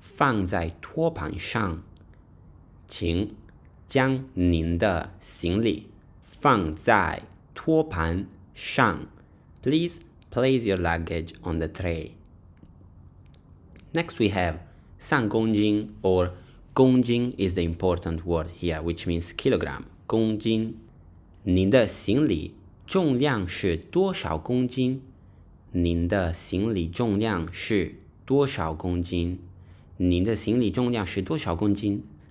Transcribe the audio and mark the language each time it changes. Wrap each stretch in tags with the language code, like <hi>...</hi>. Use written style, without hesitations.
<zh>请将您的行李放在托盘上。请将您的行李放在托盘上.</zh> <en>Please place your luggage on the tray. Next we have</en> <zh>上公斤,</zh> <en>or 公斤 is the important word here, which means kilogram, 公斤.</en> <zh>您的行李重量是多少公斤? 您的行李重量是多少公斤? 您的行李重量是多少公斤?</zh>